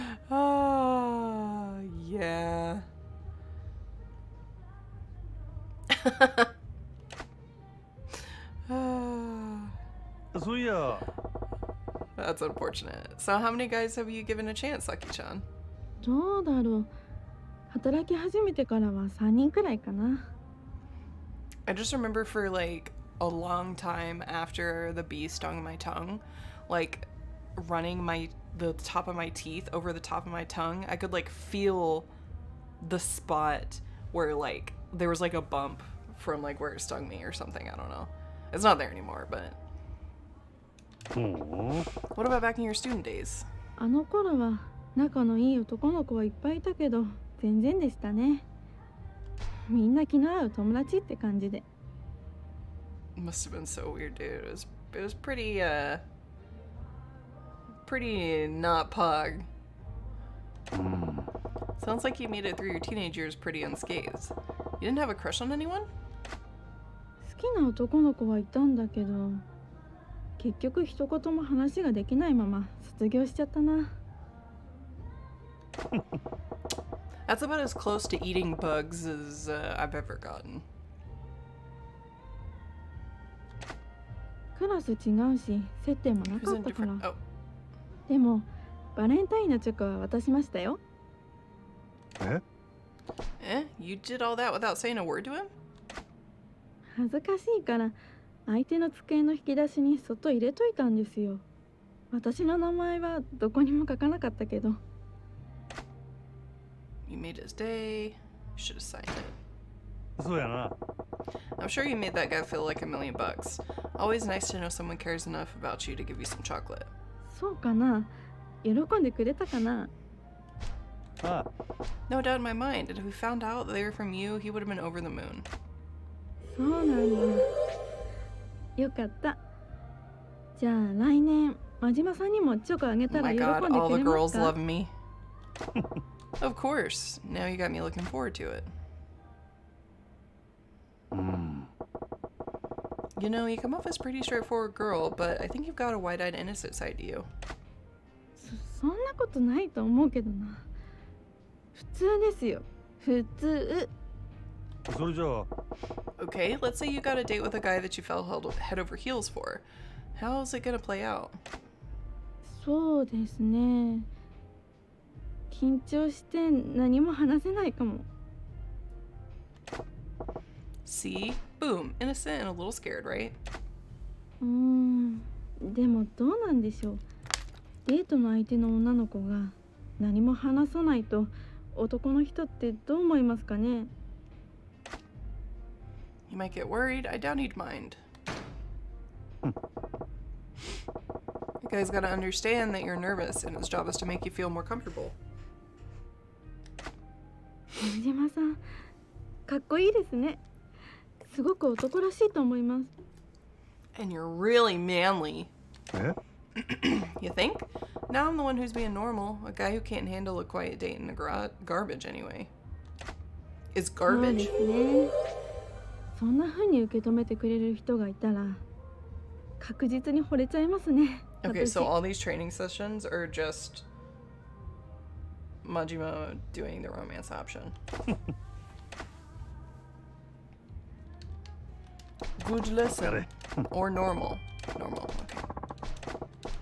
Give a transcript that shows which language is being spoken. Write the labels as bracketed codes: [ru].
[en] Oh, yeah. So yeah. That's unfortunate. So, how many guys have you given a chance, Saki-chan? [ja] どうだろう。働き始めてからは3人くらいかな。 [en] I just remember for like a long time after the bee stung my tongue, like running the top of my teeth over the top of my tongue, I could like feel the spot where, like, there was, like, a bump from, like, where it stung me or something. I don't know. It's not there anymore, but... What about back in your student days? Must have been so weird, dude. It was pretty not pog. Sounds like you made it through your teenage years pretty unscathed. You didn't have a crush on anyone? [ja] 好きな男の子はいたんだけど、結局一言も話ができないまま卒業しちゃったな。 [en] That's about as close to eating bugs as I've ever gotten. [ja] クラス違うし、接点もなかったから。でも、バレンタインのチョコは渡しましたよ。え？え？ [en] You did all that without saying a word to him? [ja] 恥ずかしいから、相手の机の引き出しにそっと入れといたんですよ。私の名前はどこにも書かなかったけど。 [en] You made his day. Should have signed it. [ja] そうやな。 [en] I'm sure you made that guy feel like a million bucks. Always nice to know someone cares enough about you to give you some chocolate. [ja] そうかな。喜んでくれたかな。ああ。 [en] No doubt in my mind. If he found out they were from you, he would have been over the moon. [ja] そうなんだ。よかった。じゃあ来年、マジマさんにもチョコあげたら喜んでくれますか。 [en] Oh my god, all the girls love me. Of course. Now you got me looking forward to it. You know, you come off as a pretty straightforward girl, but I think you've got a wide-eyed innocent side to you. [ja] そんなことないと思うけどな。普通ですよ。普通。それじゃあ。 [en] Okay, let's say you got a date with a guy that you fell head over heels for. How's it gonna play out? [ja] そうですね。緊張して何も話せないかも。 [en] See? Boom! Innocent and a little scared, right? [ja] でもどうなんでしょう。デートの相手の女の子が何も話さないと男の人ってどう思いますかね。 [en] You might get worried. I doubt he'd mind. The guy's got to understand that you're nervous, and his job is to make you feel more comfortable. [ja] Majima-san, かっこいいですね。すごく男らしいと思います。 [en] And you're really manly. [ja] え？ [en] You think? Now I'm the one who's being normal, a guy who can't handle a quiet date in the garbage anyway. It's garbage. [ja] そうですね。そんな風に受け止めてくれる人がいたら確実に惚れちゃいますね。 [en] Okay, so all these training sessions are just Majima doing the romance option. Good lesson. Or normal. Normal, okay.